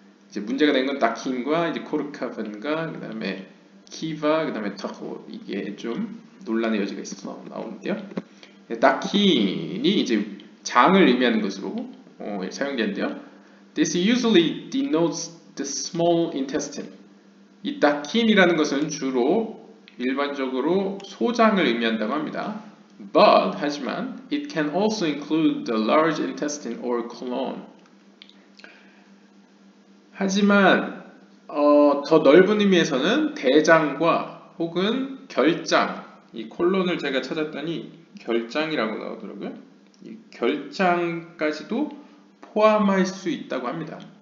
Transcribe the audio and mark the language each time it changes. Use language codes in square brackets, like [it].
[ko] 이제 문제가 된건 낙인과 이제 코르카반과 그다음에 키바, 그 다음에 타코, 이게 좀 논란의 여지가 있어서 나오는데요. 다킨이 이제 장을 의미하는 것으로 사용되는데요. [en] This usually denotes the small intestine. [ko] 이 다킨이라는 것은 주로 일반적으로 소장을 의미한다고 합니다. [en] But, [ko] 하지만, [en] it can also include the large intestine or colon. [ko] 하지만 더 넓은 의미에서는 대장과 혹은 결장, 이 콜론을 제가 찾았더니 결장이라고 나오더라고요. 이 결장까지도 포함할 수 있다고 합니다.